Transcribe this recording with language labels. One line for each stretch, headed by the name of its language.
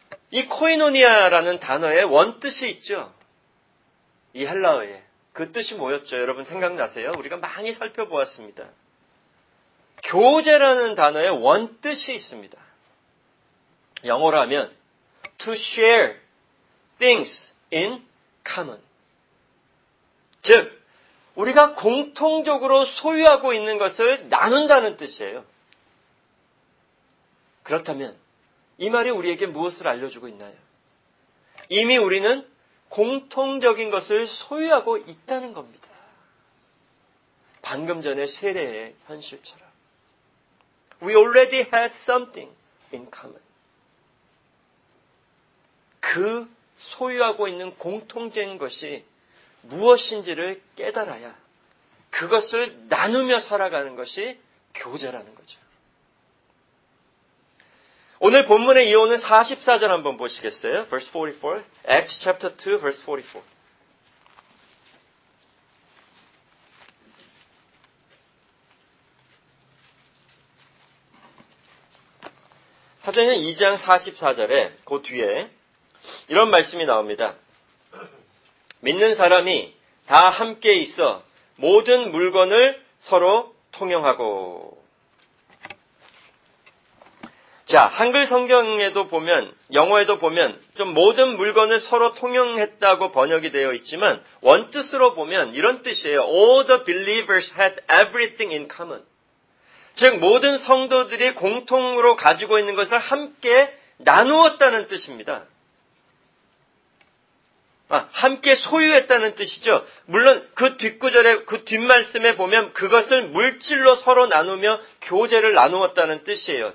Korean: 이 코이노니아라는 단어의 원뜻이 있죠. 이 헬라어에. 그 뜻이 뭐였죠? 여러분 생각나세요? 우리가 많이 살펴보았습니다. 교제라는 단어의 원뜻이 있습니다. 영어로 하면
English: to share things in common.
Korean: 즉, 우리가 공통적으로 소유하고 있는 것을 나눈다는 뜻이에요. 그렇다면 이 말이 우리에게 무엇을 알려주고 있나요? 이미 우리는 공통적인 것을 소유하고 있다는 겁니다. 방금 전에 세례의 현실처럼.
English: We already had something in common. 그
Korean: 소유하고 있는 공통적인 것이 무엇인지를 깨달아야 그것을 나누며 살아가는 것이 교제라는 거죠. 오늘 본문의 이어오는 44절 한번 보시겠어요?
English: Verse 44, Acts chapter 2, verse 44.
Korean: 사도행전 2장 44절에 그 뒤에 이런 말씀이 나옵니다. 믿는 사람이 다 함께 있어 모든 물건을 서로 통용하고. 자, 한글 성경에도 보면 영어에도 보면 좀 모든 물건을 서로 통용했다고 번역이 되어 있지만 원뜻으로 보면 이런 뜻이에요.
English: All the believers had everything in common.
Korean: 즉 모든 성도들이 공통으로 가지고 있는 것을 함께 나누었다는 뜻입니다. 아, 함께 소유했다는 뜻이죠. 물론 그 뒷구절에 그 뒷말씀에 보면 그것을 물질로 서로 나누며 교제를 나누었다는 뜻이에요.